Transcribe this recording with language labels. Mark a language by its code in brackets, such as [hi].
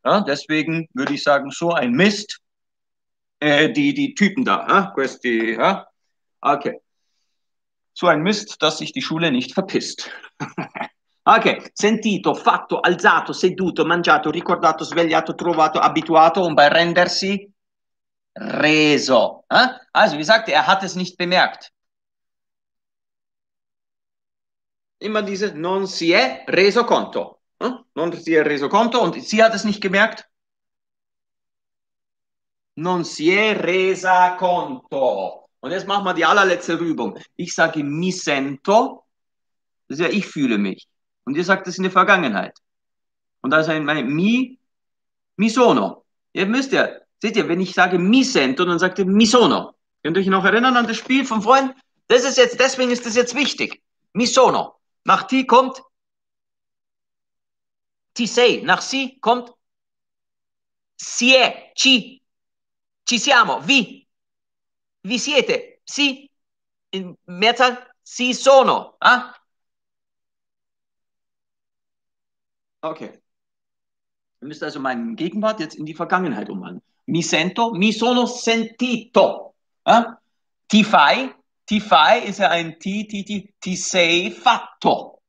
[de] Ja, deswegen würde ich sagen, so ein Mist, die Typen da, questi, ja? Okay. So ein Mist, dass sich die Schule nicht verpisst. [it] Ok, sentito, fatto, alzato, seduto, mangiato, ricordato, svegliato, trovato, abituato [de] und bei [it] rendersi reso. [de] Also, wie gesagt, er hat es nicht bemerkt. Immer diese [it] non si è reso conto. Non si è reso conto [de] und sie hat es nicht gemerkt. [it] Non si è resa conto. [de] Und jetzt machen wir die allerletzte Übung. Ich sage mi sento. Das ist ja ich fühle mich. Und ihr sagt es in der Vergangenheit. Und da ist ein mi sono. Jetzt müsst ihr, seht ihr, wenn ich sage mi sento, dann sagt ihr mi sono. Könnt ihr euch noch erinnern an das Spiel von vorhin? Das ist jetzt, deswegen ist das jetzt wichtig. [it] Mi sono. Nach ti kommt ti sei. Nach si kommt si è. Ci. Ci siamo. Vi. Vi siete. Si. [de] In Mehrzahl [it] si sono. Ah? [de] Okay. Ihr müsst also meinen Gegenwart jetzt in die Vergangenheit umwandeln. [it] Mi sento, mi sono sentito. [de] Ja? [it] Ti fai [de] ist ja ein [it] ti sei fatto.